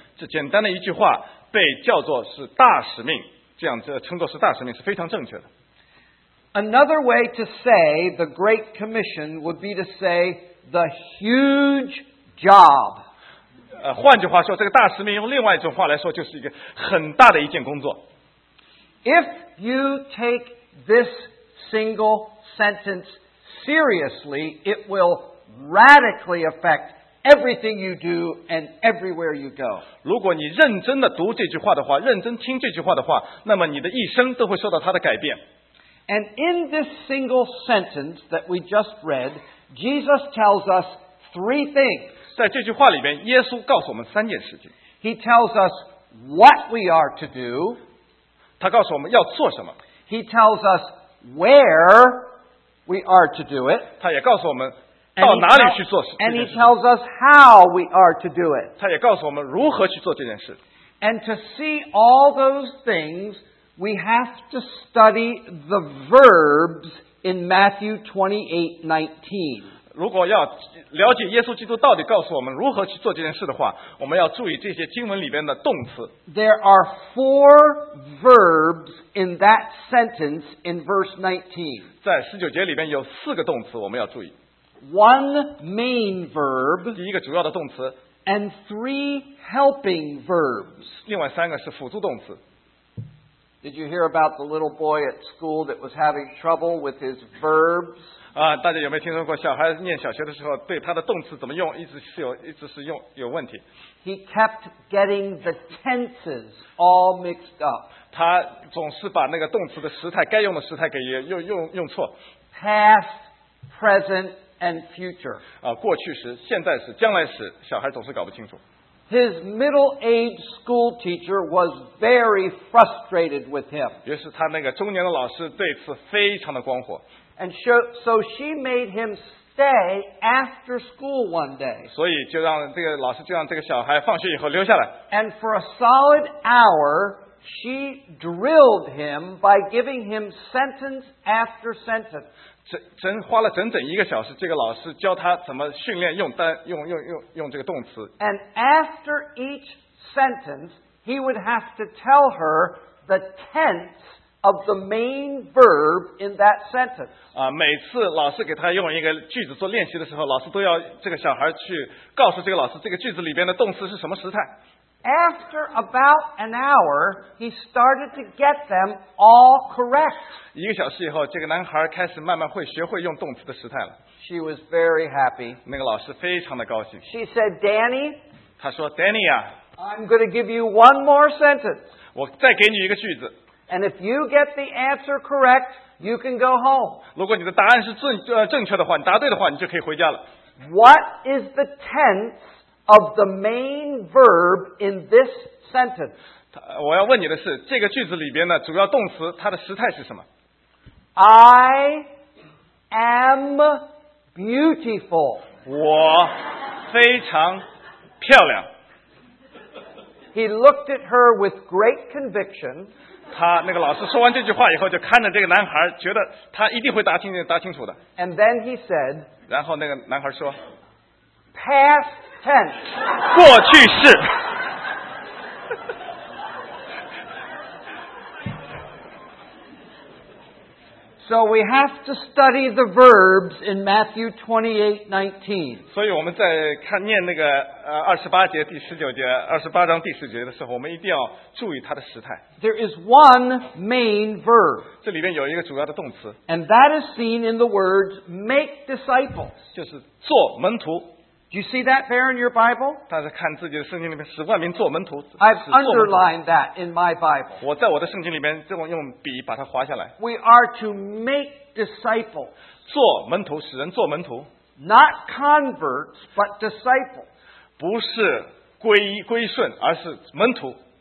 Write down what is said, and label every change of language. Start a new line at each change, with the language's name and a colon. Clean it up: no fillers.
Chinese: 这简单的一句话被叫做是大使命，这样称作是大使命是非常正确的。
English: Another way to say the Great Commission would be to say the huge job.
Chinese: 换句话说，这个大使命用另外一种话来说，就是一个很大的一件工作。
English: If you take this single sentence seriously, it will radically affect everything you do and everywhere you go.
Chinese: 如果你认真的读这句话的话，认真听这句话的话，那么你的一生都会受到它的改变。
English: And in this single sentence that we just read, Jesus tells us three things.
Chinese: 在这句话里边，耶稣告诉我们三件事情。
English: He tells us what we are to do.
Chinese: 他告诉我们要做什么。
English: He tells us where we are to do it.
Chinese: 他也告诉我们到哪里去做这件事。
English: And he tells us how we are to do it.
Chinese: 他也告诉我们如何去做这件事。
English: And to see all those things, we have to study the verbs in Matthew 28:19.
Chinese: 如果要了解耶稣基督到底告诉我们如何去做这件事的话，我们要注意这些经文里边的动词。
English: There are four verbs in that sentence in verse 19.
Chinese: 在十九节里边有四个动词，我们要注意。
English: One main verb.
Chinese: 第一个主要的动词。
English: And three helping verbs.
Chinese: 另外三个是辅助动词。
English: Did you hear about the little boy at school that was having trouble with his verbs?
Chinese: 大家有没有听说过小孩念小学的时候对他的动词怎么用一直是有问题。
English: He kept getting the tenses all mixed up.
Chinese: 他总是把那个动词的时态该用的时态给用错。
English: Past, present, and future.
Chinese: 过去时现在时将来时小孩总是搞不清楚。
English: His middle-aged school teacher was very frustrated with him.
Chinese: 于是他那个中年的老师对此非常的光火。
English: And so she made him stay after school one day.
Chinese: 所以就让这个老师就让这个小孩放学以后留下来。
English: And for a solid hour, she drilled him by giving him sentence after sentence.
Chinese: 花了整整一个小时，这个老师教他怎么训练用这个动词。
English: And after each sentence, he would have to tell her the tense of the main verb in that sentence.
Chinese: 每次老师给他用一个句子做练习的时候，老师都要这个小孩去告诉这个老师这个句子里边的动词是什么时态。
English: After about an hour, he started to get them all correct.
Chinese: 一个小时以后，这个男孩开始慢慢会学会用动词的时态了。
English: She was very happy.
Chinese: 那个老师非常的高兴。
English: She said, Danny,
Chinese: 他说 Danny 啊,
English: I'm going to give you one more sentence.
Chinese: 我再给你一个句子。
English: And if you get the answer correct, you can go home.
Chinese: 如果你的答案是正确的话，你答对的话，你就可以回家了。
English: What is the tense of the main verb in this sentence?
Chinese: 我要问你的是，这个句子里边的主要动词，它的时态是什么？
English: I am beautiful.
Chinese: 我非常漂亮。
English: He looked at her with great conviction.
Chinese: 他那个老师说完这句话以后，就看着这个男孩，觉得他一定会答清楚的。
English: And then he said，
Chinese: 然后那个男孩说
English: ，past tense，
Chinese: 过去式。
English: So we have to study the verbs in Matthew 28:19.
Chinese: 所以我们在看念那个28章第19节的时候，我们一定要注意它的时态。
English: There is one main verb.
Chinese: 这里面有一个主要的动词。
English: And that is seen in the words "make disciples."
Chinese: 就是做门徒。
English: Do you see that there in your Bible?
Chinese: 大家看自己的圣经里面，使万民做门徒。
English: I've underlined that in my Bible.
Chinese: 我在我的圣经里面，用笔把它划下来。
English: We are to make disciples.
Chinese: 做门徒，使人做门徒。
English: Not converts, but disciples.
Chinese: 不是归顺，而是门徒。